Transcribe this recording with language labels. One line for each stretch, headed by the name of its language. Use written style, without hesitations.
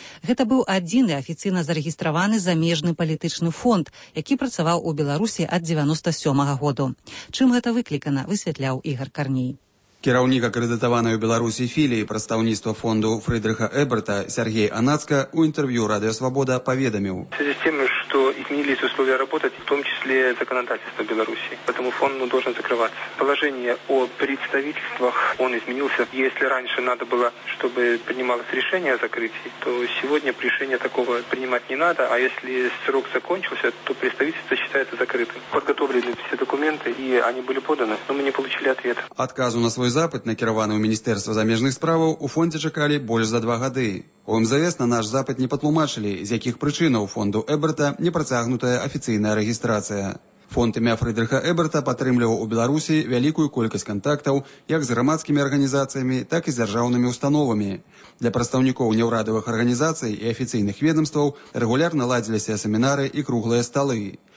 Belarusian: Гэта быў адзіны афіцыйна зарэгістраваны замежны палітычны фонд, які працаваў у Беларусі ад 97 году. Чым гэта выклікана, высвятляў Ігар Карній. Кіраўнік акрэдытаванай у Беларусі філіі прадстаўніцтва фонду Фрыдрыха Эберта Сергей Анацка ў інтэрв'ю Радыё Свабода паведаміў.
Russian: Изменились условия работы, в том числе законодательство Беларуси. Поэтому фонд должен закрываться. Положение о представительствах, он изменился. Если раньше надо было, чтобы принималось решение о закрытии, то сегодня решение такого принимать не надо. А если срок закончился, то представительство считается закрытым. Подготовлены все документы, и они были поданы, но мы не получили ответ.
Belarusian: Отказу на свой запыт, накированный у Министерства замежных справ, у фонда чекали больше за 2 года. У МЗС на наш запыт не патлумачылі, з якіх прычынаў фонду Эберта не працягнутая афіцыйная рэгістрацыя. Фонд імя Фрыдрыха Эберта падтрымліваў у Беларусі вялікую колькасць кантактаў як з грамадскімі арганізацыямі, так і з дзяржаўнымі установамі. Для прадстаўнікоў неўрадавых арганізацый і афіцыйных ведамстваў рэгулярна ладзіліся семінары і круглыя сталы.